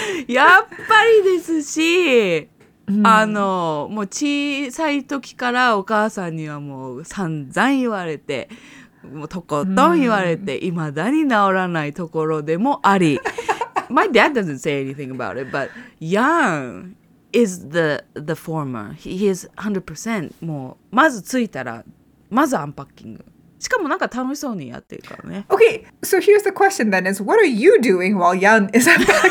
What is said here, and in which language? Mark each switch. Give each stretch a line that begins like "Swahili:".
Japanese: やっぱりですし、あの、もう小さい時からお母さんにはもう散々言われて、もうとことん言われて、いまだに治らないところでもあり。
English: My dad doesn't say anything about it, but Yan is the former. He is 100%.
Japanese: もう、まず着いたら、まずアンパッキング。しかもなんか楽しそうにやってるからね。
English: Okay, so here's the question then is, what are you doing while Yan is unpacking?